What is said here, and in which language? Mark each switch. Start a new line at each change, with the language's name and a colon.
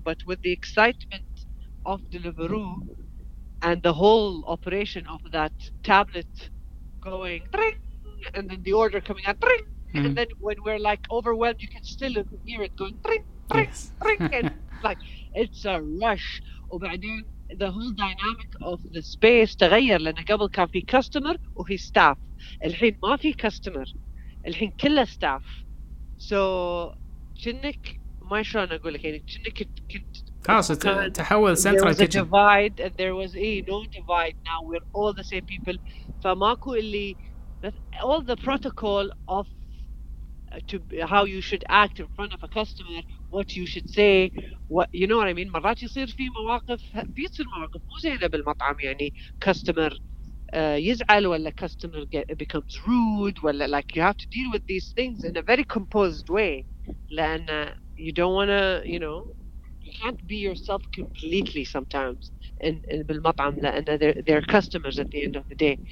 English: But with the excitement of Deliveroo and the whole operation of that tablet going ring, and then the order coming out ring, and then when we're like overwhelmed, you can still hear it going ring, ring, yes. Ring, and like it's a rush.
Arabic: وبعدين the whole dynamic of the space تغير, لأن قبل كان في customer وفي staff, الحين ما في customer, الحين كله staff. So كنك ما شلون أقولك, يعني كنك تحول central kitchen.
English: There was a divide, and there was no divide. Now we're all the same people. فماكو اللي all the protocol of to how you should act in front of a customer, what you should say, what, you know what I mean. مرات يصير في مواقف, بيصير مواقف مو زينة بالمطعم, يعني customer يزعل, ولا customer becomes rude, ولا like you have to deal with these things in a very composed way, لأن you don't wanna, you know, you can't be yourself completely sometimes in بالمطعم, لأن they're customers at the end of the day.